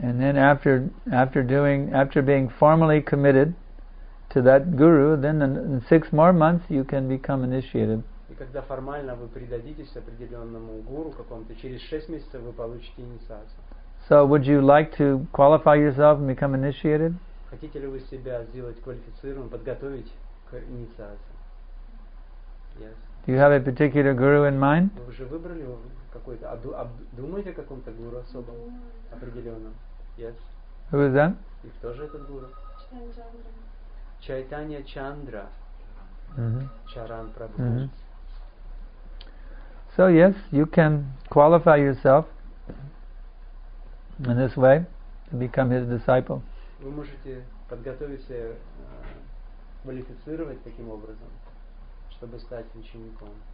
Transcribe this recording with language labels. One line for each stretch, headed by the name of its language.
English: And then after being formally committed to that guru, then in 6 more months you can become initiated.
Russian: И когда формально вы предадитесь определенному гуру какому-то, через 6 месяцев вы получите инициацию.
English: So would you like to qualify yourself and become initiated?
Russian: Хотите ли вы себя сделать квалифицированным, подготовить к инициации?
English: Yes. Do you have a particular guru in mind?
Russian: Вы уже выбрали какой-то, думаете о каком-то гуру особом, определенном?
English: Yes. Who is that?
Russian: И кто же этот гуру? Чайтанья Чандра. Чаран Прабху.
English: So yes, you can qualify yourself in this way to become his disciple.
Russian: Вы можете подготовиться, квалифицировать таким образом, чтобы стать учеником.